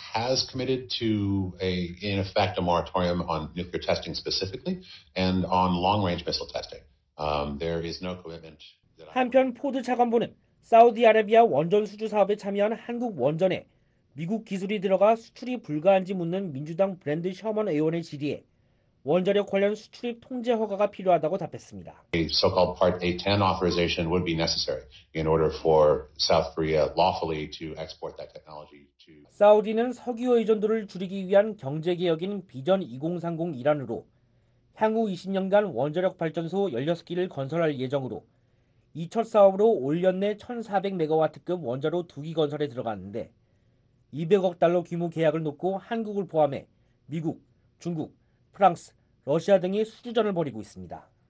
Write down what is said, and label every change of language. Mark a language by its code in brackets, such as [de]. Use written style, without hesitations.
[en] Has committed to a in effect a moratorium on nuclear testing specifically and on long-range missile testing. There is no commitment. [ko] 한편 포드 차관보는 사우디아라비아 원전 수주 사업에 참여한 한국 원전에 미국 기술이 들어가 수출이 불가한지 묻는 민주당 브랜드 셔먼 의원의 질의에 원자력 관련 수출입 통제 허가가 필요하다고 답했습니다. [en] A so-called Part A10 authorization would be necessary in order for South Korea lawfully to export that technology to. [ko] 사우디는 석유 의존도를 줄이기 위한 경제 개혁인 비전 2030 일환으로 향후 20년간 원자력 발전소 16기를 건설할 예정으로 이 첫 사업으로 올 연내 1,400메가와트급 원자로 2기 건설에 들어갔는데 200억 달러 규모 계약을 놓고 한국을 포함해 미국, 중국, 프랑스, 러시아 등이 수주전을 벌이고 있습니다.